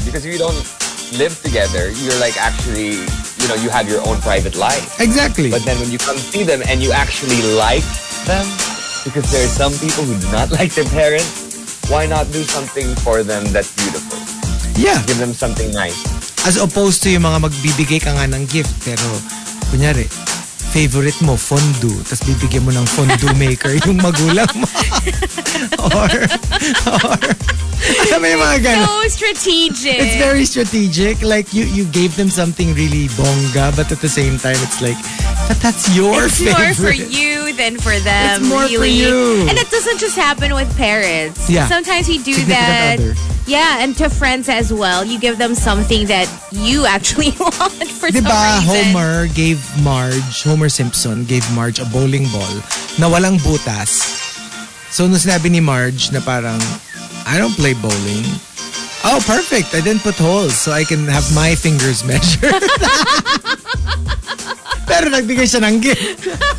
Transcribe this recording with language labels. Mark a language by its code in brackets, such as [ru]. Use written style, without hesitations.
[en] Because if you don't live together, you're like actually, you know, you have your own private life. Exactly. But then when you come see them and you actually like them, because there are some people who do not like their parents, why not do something for them that's beautiful? Yeah. Give them something nice. As opposed to [tl] yung mga magbibigay ka nga ng gift, pero kunyari, favorite mo, fondue, tapos bibigyan mo ng fondue maker yung magulang mo. or alam mo yung mga ganun. [en] It's so strategic. It's very strategic. Like, you gave them something really bonga, but at the same time, it's like, that's your it's favorite. It's more for you than for them, it's more really. For you. And it doesn't just happen with parents. Yeah. Sometimes we do that. Yeah, and to friends as well. You give them something that you actually want for [tl] diba, [en] some reason. Diba, Homer Simpson gave Marge a bowling ball [tl] na walang butas. [en] So, [tl] nung sinabi ni Marge na parang, [en] I don't play bowling. Oh, perfect. I didn't put holes so I can have my fingers measured. [tl] Pero nagbigay siya ng gift.